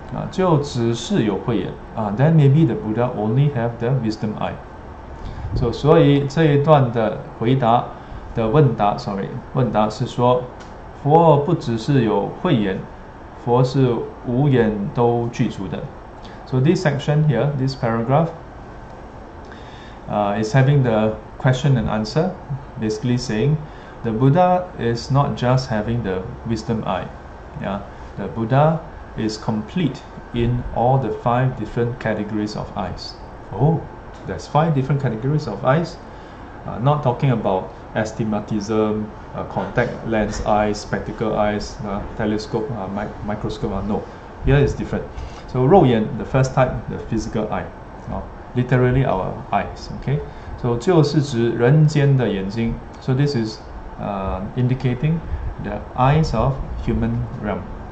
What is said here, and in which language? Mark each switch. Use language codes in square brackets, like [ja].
[zh] 就只是有慧眼, [en] then maybe the Buddha only have the wisdom eye. [zh] So, 所以这一段的问答是说, 佛不只是有慧眼, 佛是无眼都具足的。 [en] So this section here, this paragraph, is having the question and answer, basically saying the Buddha is not just having the wisdom eye. Yeah, the Buddha is complete in all the five different categories of eyes. Oh, there's five different categories of eyes. Not talking about astigmatism, contact lens eyes, spectacle eyes, telescope, microscope. No, here is different. So 肉眼, the first type, the physical eye, literally our eyes, okay? [zh] So 就是指人间的眼睛. [en] So this is indicating the eyes of human realm.